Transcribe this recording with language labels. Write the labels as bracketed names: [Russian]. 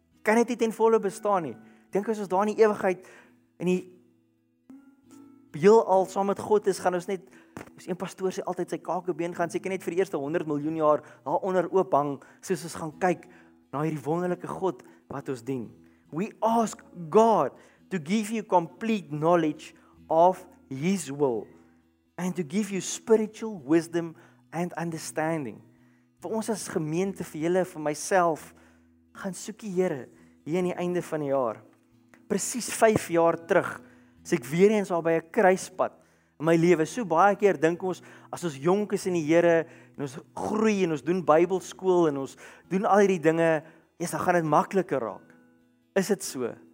[Afrikaans] Kan dit nie ten volle bestaan nie. Dink as ons daar in die ewigheid, in die heel al saam met God is, gaan ons net, as een pastoor sê altyd sy kakebeen, gaan seker net vir die eerste 100 miljoen jaar daar onder oop hang, soos ons gaan kyk na hierdie wonderlike God wat ons dien. [English] We ask God to give you complete knowledge of his will and to give you spiritual wisdom and understanding. [Afrikaans] Vir ons as gemeente, vir julle, vir myself, gaan soek die Here hier in die einde van die jaar. Precies 5 jaar terug, as ek weer eens al by 'n kruispad in my lewe, so baie keer dink ons, as ons jonk is in die Here, en ons groei, en ons doen bybelskool, en ons doen al die dinge, jy, dan gaan dit makliker raak. Is dit so?